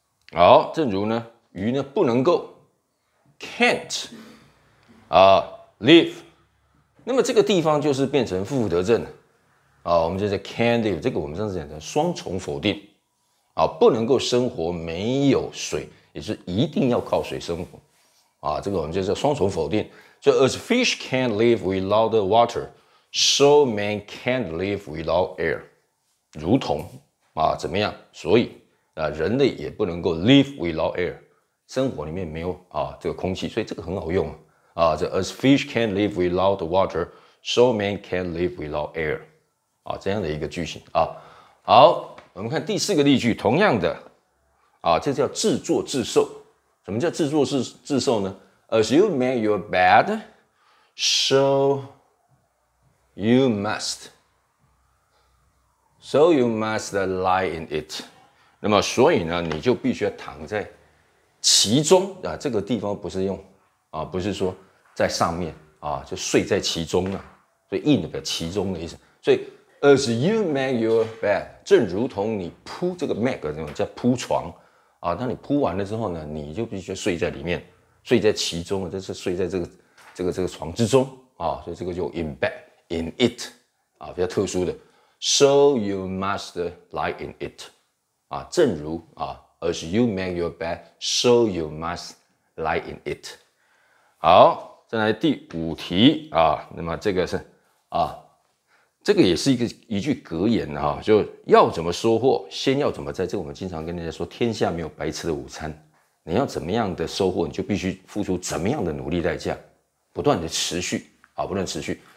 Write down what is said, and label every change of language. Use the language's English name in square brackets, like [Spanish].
[Chinese] 好、啊、正如呢鱼呢不能够 [English] can't [Chinese] 啊 [English] live， [Chinese] 那么这个地方就是变成负得正啊，我们就是 [English] can't live， [Chinese] 这个我们上次讲的双重否定啊，不能够生活没有水。也是一定要靠水生活啊，这个我们就是双重否定。 [English] So as fish can't live without the water, so man can't live without air. [Chinese] 如同啊，怎么样？所以啊，人类也不能够 [English] live without air， [Chinese] 生活里面没有啊这个空气，所以这个很好用啊。 [English] 这 as fish can't live without the water, so man can't live without air。 [Chinese] 啊，这样的一个句型啊。好，我们看第四个例句，同样的啊，这叫自作自受。什么叫自作自受呢？ [English] As you make your bed, so you must. So you must lie in it. [Chinese] 那么所以呢，你就必须要躺在其中啊。这个地方不是用啊，不是说在上面啊，就睡在其中啊。所以 in 的其中的意思。所以 as you make your bed， 正如同你铺这个 make 这种叫铺床啊。当你铺完了之后呢，你就必须睡在里面。睡在其中，就是睡在这个床之中啊，所以这个就 [English] embed in it [Chinese] 啊，比较特殊的。 [English] So you must lie in it [Chinese] 啊，正如啊 [English] ，as you make your bed, so you must lie in it。 [Chinese] 好，再来第五题啊，那么这个是啊，这个也是一句格言啊，就要怎么收获，先要怎么栽。这个我们经常跟大家说，天下没有白吃的午餐。你要怎么样的收获，你就必须付出怎么样的努力代价，不断的持续啊，不断持续。